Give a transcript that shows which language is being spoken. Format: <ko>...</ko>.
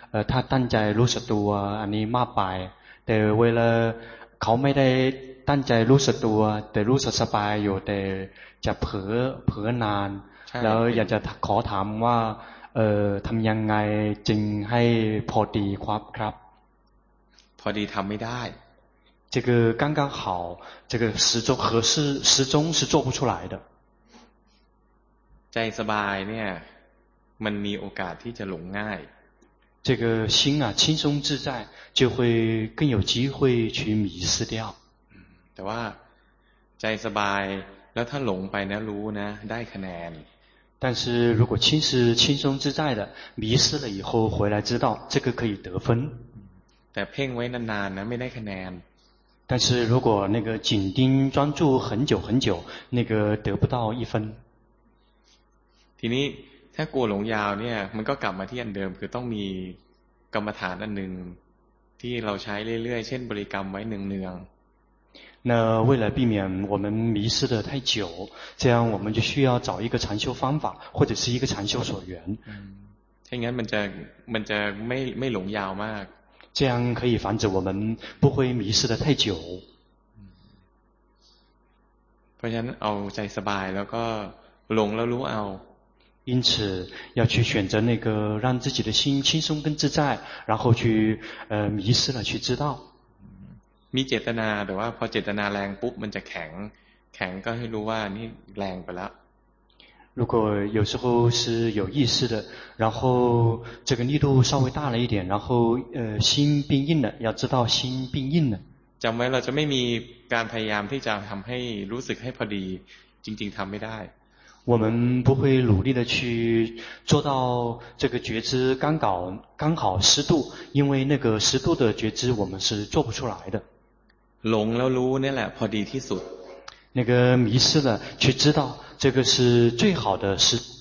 <th>ถ้าตั้งใจรู้สึกตัวอันนี้มากไปแต่เวลาเขาไม่ได้ตั้งใจรู้สึกตัวแต่รู้สึกสบายอยู่แต่จะเผลอนานแล้วอยากจะขอถามว่าทำยังไงจึงให้พอดีครับ พอดีทำไม่ได้</th> <zh>这个刚刚好这个时钟合适时钟是做不出来的</zh> <th>ใจสบายเนี่ยมันมีโอกาสที่จะหลงง่าย</th> <zh>这个心啊轻松自在就会更有机会去迷失掉</zh> <th>แต่ว่าใจสบายแล้วถ้าหลงไปนะรู้นะได้คะแนน</th> <zh>但是如果心是轻松自在的迷失了以后回来知道这个可以得分</zh> <th>แต่เพ่งไว้นานๆนะไม่ได้คะแนน</th> <zh>但是如果那个紧盯专注很久很久那个得不到一分</zh> <th>ทีนี้ถ้ากลัวหลงยาวเนี่ยมันก็กลับมาที่อันเดิมคือต้องมีกรรมฐานอันหนึ่งที่เราใช้เรื่อยๆเช่นบริกรรมไว้เนือง</th> <zh>那为了避免我们迷失的太久这样我们就需要找一个禅修方法或者是一个禅修所缘</zh> <th>ถ้าอย่างนั้นมันจะไม่หลงยาวมาก</th> <zh>这样可以防止我们不会迷失的太久</zh> <th>เพราะฉะนั้นเอาใจสบายแล้วก็หลงแล้วรู้เอา</th> <zh>因此要去选择那个让自己的心轻松跟自在然后去迷失了去知道</zh> <th>มีเจตนาแต่ว่าพอเจตนาแรงปุ๊บมันจะแข็งก็ให้รู้ว่านี่แรงไปแล้ว</th> <zh>如果有时候是有意识的然后这个力度稍微大了一点然后心变硬了要知道心变硬了</zh> <th>จำไว้เราจะไม่มีการพยายามที่จะทำให้รู้สึกให้พอดีจริงๆทำไม่ได้</th> <zh>我们不会努力的去做到这个觉知刚好适度因为那个适度的觉知我们是做不出来的</zh> <th>หลงแล้วรู้นี่แหละพอดีที่สุด</th> <zh>那个迷失了去知道这个是最好的事</zh>